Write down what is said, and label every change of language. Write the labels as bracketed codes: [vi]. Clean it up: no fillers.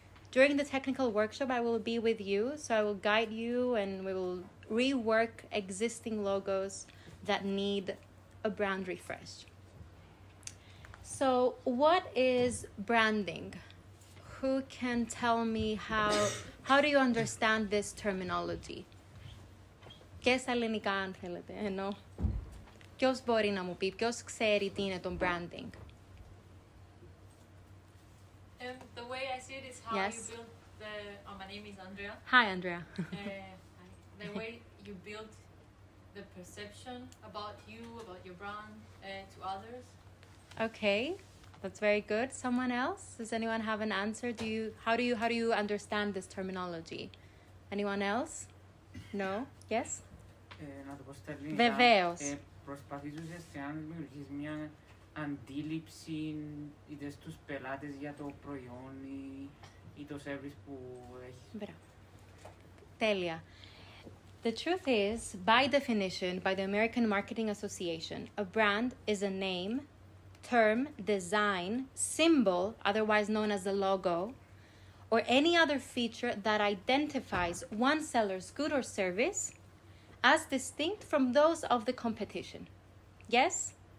[en] During the technical workshop, I will be with you, so I will guide you and we will rework existing logos that need a brand refresh. So what is branding? Who can tell me how do you understand this terminology? [el] Και στα ελληνικά, αν θέλετε, ενώ ποιος μπορεί να μου πει, ποιος ξέρει τι είναι το branding? [en] The way I see it is how yes. you build the... Oh, my name is Andrea. Hi, Andrea. the way you build the perception about you, about your brand, to others. Okay. That's very good. Someone else? Does anyone have an answer? How do you understand this terminology? Anyone else? No? Yes? [el] Να το πω στα ελληνικά. Βεβαίως. Προσπαθείς ουσιαστικά να δημιουργείς μια αντίληψη είτε στους πελάτες για το προϊόν ή το service που έχεις. Μπράβο. Τέλεια. [en] The truth is, by definition, by the American Marketing Association, a brand is a name, term, design, symbol, otherwise known as the logo, or any other feature that identifies one seller's good or service as distinct from those of the competition. Yes?